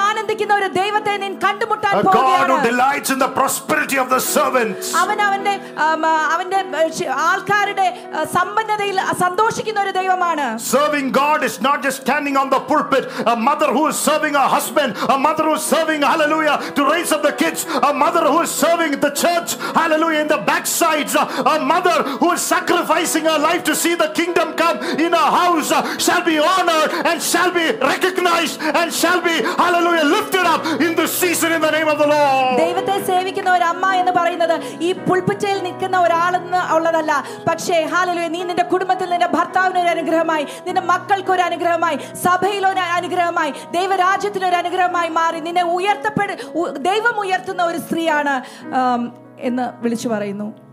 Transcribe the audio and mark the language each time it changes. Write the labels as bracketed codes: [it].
[ml] ആനന്ദിക്കുന്ന ഒരു ദൈവത്തെ നീ കണ്ടുമുട്ടാൻ പോവുകയാണ് അവന്റെ ആൾക്കാരുടെ സമ്പന്നതയിൽ സന്തോഷിക്കുന്ന ഒരു ദൈവമാണ് [en] Serving God is not just standing on the pulpit a mother who is serving her husband a mother who is serving hallelujah to raise up the kids a mother who is serving the church hallelujah in the backsides a mother who is sacrificing her life to see the kingdom come in her house shall be honored and shall be recognized and shall be hallelujah lifted up in this season in the name of the Lord [ml] ദൈവത്തെ സേവിക്കുന്ന ഒരു അമ്മ എന്ന് പറയുന്നത് ഈ പുൽപ്പറ്റ് നിൽക്കുന്ന ഒരാളെന്ന് ഉള്ളതല്ല പക്ഷേ ഹല്ലേലൂയ നീ നിന്റെ കുടുംബത്തിൽ നിന്റെ ഭർത്താവിന് ഒരു അനുഗ്രഹമായി നിന്റെ മക്കൾക്ക് ഒരു അനുഗ്രഹമായി സഭയിൽ ഒരു അനുഗ്രഹമായി ദൈവരാജ്യത്തിന് ഒരു അനുഗ്രഹമായി മാറി നിന്നെ ഉയർത്തപ്പെട്ട് ദൈവം ഉയർത്തുന്ന ഒരു സ്ത്രീയാണ് എന്ന് വിളിച്ചു പറയുന്നു